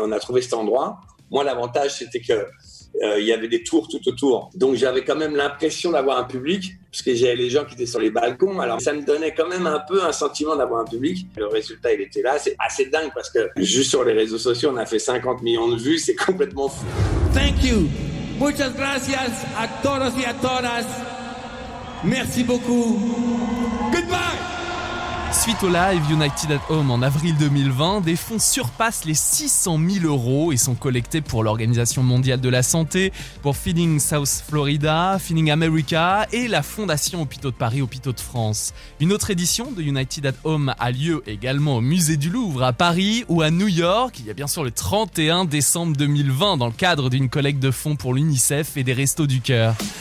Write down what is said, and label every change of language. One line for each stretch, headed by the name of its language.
French: On a trouvé cet endroit. Moi, l'avantage, c'était que il y avait des tours tout autour. Donc, j'avais quand même l'impression d'avoir un public, parce que j'avais les gens qui étaient sur les balcons. Alors, ça me donnait quand même un peu un sentiment d'avoir un public. Le résultat, il était là. C'est assez dingue, parce que juste sur les réseaux sociaux, on a fait 50 millions de vues. C'est complètement fou.
English: Thank you.
Spanish: Muchas gracias a todos y a todas.
French: Merci beaucoup.
Spanish: Goodbye.
French: Suite au live United at Home en avril 2020, des fonds surpassent les 600 000 euros et sont collectés pour l'Organisation Mondiale de la Santé, pour Feeding South Florida, Feeding America et la Fondation Hôpitaux de Paris, Hôpitaux de France. Une autre édition de United at Home a lieu également au Musée du Louvre à Paris ou à New York, il y a bien sûr le 31 décembre 2020, dans le cadre d'une collecte de fonds pour l'UNICEF et des Restos du Cœur.